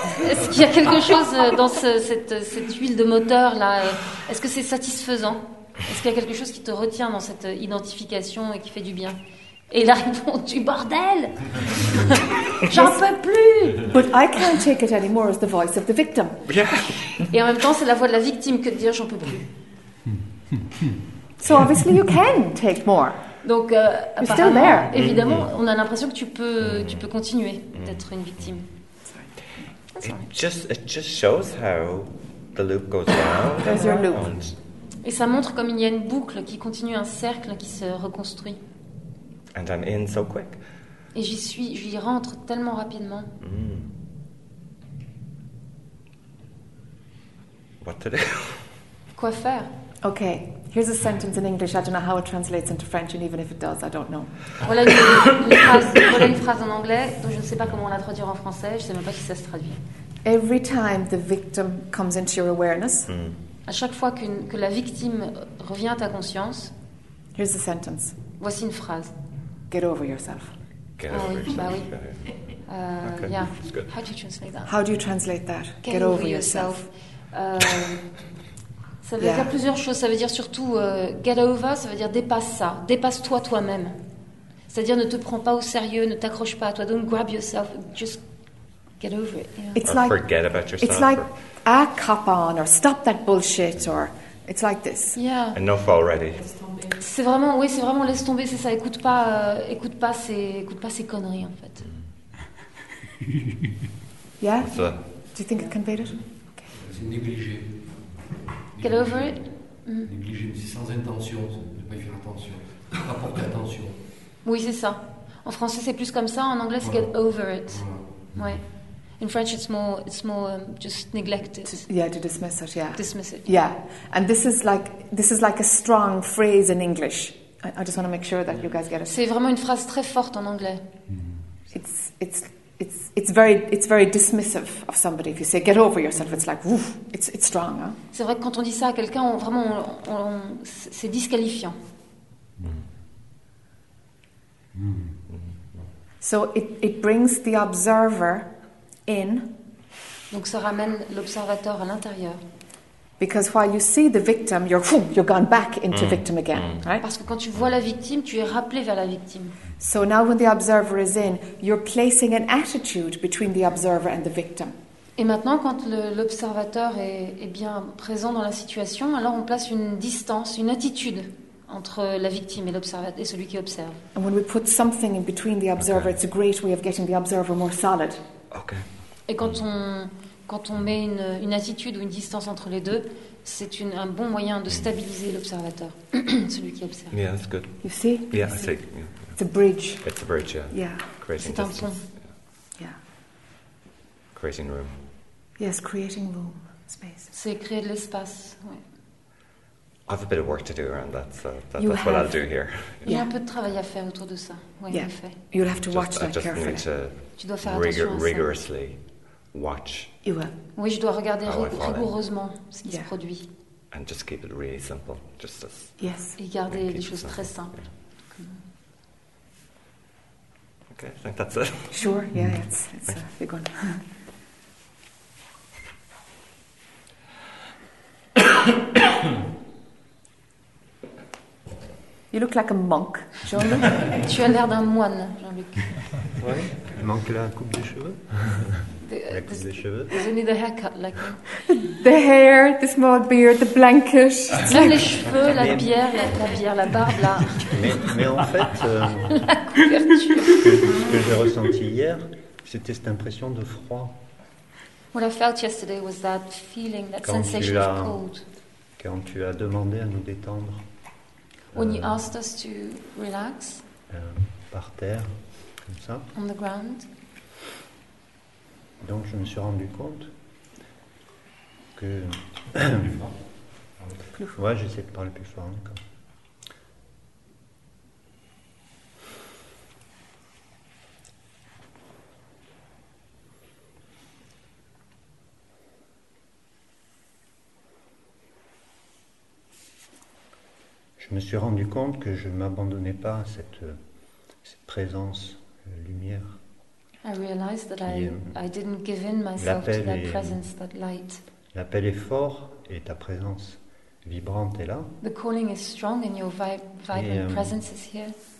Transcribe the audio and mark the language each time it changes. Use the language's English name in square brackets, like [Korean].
[French] Est-ce qu'il y a quelque chose dans cette huile de moteur là? Est-ce que c'est satisfaisant? Est-ce qu'il y a quelque chose qui te retient dans cette identification et qui fait du bien? Et là, ils font du bordel. J'en peux plus. [English] But I can't take it anymore is the voice of the victim. Yeah. [French] Et en même temps, c'est la voix de la victime que de dire j'en peux plus. [English] So obviously you can take more. [French] Donc, [English] you're still there. [French] Évidemment, on a l'impression que tu peux continuer d'être une victime. [English] It just shows how the loop goes round. There's your loop. [French] Et ça montre comme il y a une boucle qui continue, un cercle qui se reconstruit. [English] And I'm in so quick. [French] Et j'y rentre tellement rapidement. [English] What to do? [French] Quoi faire? [English] Okay, here's a sentence in English. I don't know how it translates into French, and even if it does, I don't know. [French] Voilà une phrase en anglais dont je ne sais pas comment la traduire en français. Je sais même pas si ça se traduit. [English] Every time the victim comes into your awareness. [French] À chaque fois que la victime revient à ta conscience. [English] Here's a sentence. [French] Voici une phrase. [English] Get over yourself. How do you translate that? How do you translate that? Get over yourself. [French] Ça veut dire plusieurs choses. Ça veut dire surtout [English] get over. [French] Ça veut dire dépasse ça. Dépasse-toi toi-même. C'est-à-dire ne te prends pas au sérieux. Ne t'accroche pas à toi. [English] Don't grab yourself. Just get over it. Yeah. It's like, forget about yourself. It's like cop on or stop that bullshit or it's like this. Yeah. Enough already. [French] C'est vraiment laisse tomber, c'est ça. Écoute pas ces conneries en fait. [English] Yeah. Do you think it can be it? [French] C'est négligé. [English] Get over it. [French] Négligé, c'est sans intention, ne pas y faire attention, pas porter attention. Oui, c'est ça. En français, c'est plus comme ça. En anglais, c'est [English] get over it. [French] Voilà. Ouais. [English] In French, it's more just neglected. To dismiss it. Yeah. Dismiss it. Yeah, and this is like a strong phrase in English. I just want to make sure that you guys get it. [French] C'est vraiment une phrase très forte en anglais. [English] It's very dismissive of somebody if you say get over yourself. It's like woof. It's strong. Huh? [French] C'est vrai que quand on dit ça à quelqu'un, on c'est disqualifiant. [English] So it brings the observer. In. [French] Donc ça ramène l'observateur à l'intérieur. [English] Because while you see the victim, you're gone back into victim again, right? [French] Parce que quand tu vois la victime, tu es rappelé vers la victime. [English] So now when the observer is in, you're placing an attitude between the observer and the victim. [French] Et maintenant quand l'observateur est bien présent dans la situation, alors on place une distance, une attitude entre la victime et l'observateur et celui qui observe. [English] And when we put something in between the observer, okay. It's a great way of getting the observer more solid. Okay. [French] Et quand on met une attitude ou une distance entre les deux, c'est un bon moyen de stabiliser l'observateur, celui qui observe. [English] Yeah, that's good. You see? Yeah, you I see. It's a bridge. It's a bridge, yeah. Yeah. Creating [French] c'est [English] distance. [French] Un pont. [English] Yeah. Creating room. Yes, creating room, space. [French] C'est créer de l'espace, oui. [English] I have a bit of work to do around that, so that's what I'll do here. [French] Il y a un peu de travail à faire autour de ça. Oui, [English] yeah. [French] Fait. [English] You'll have to watch that carefully. I just need to [French] tu dois faire attention [English] rigorously watch. You will. [French] Oui, je dois regarder rigoureusement ce qui se produit. [English] And just keep it really simple. Just as yes. [French] Et garder les choses très simples. [English] Yeah. Okay, I think that's it. Sure, yeah, it's a big one. You look like a monk, Jean-Luc. [French] Tu as l'air d'un moine, Jean-Luc. Oui. Il manque la coupe des cheveux. La coupe des cheveux. [English] Does he need a haircut, like? The hair, the small beard, the blanket. [French] Même les cheveux, la bière, la barbe, là. Mais en fait, la couverture. Ce que j'ai ressenti hier, c'était cette impression de froid. [English] What I felt yesterday was that feeling, that [French] quand [English] sensation of cold. [French] Quand tu as demandé à nous détendre. [English] When you asked us to relax, [French] par terre, comme ça. [English] On the ground. [French] Donc je me suis rendu compte que, ouais, j'essaie de parler plus fort encore. Je me suis rendu compte que je ne m'abandonnais pas à cette présence, lumière. [English] I realized that I didn't give in myself to that presence, that light. [French] L'appel est fort et ta présence vibrante est là. [English] The calling is strong and your vibrant presence is here.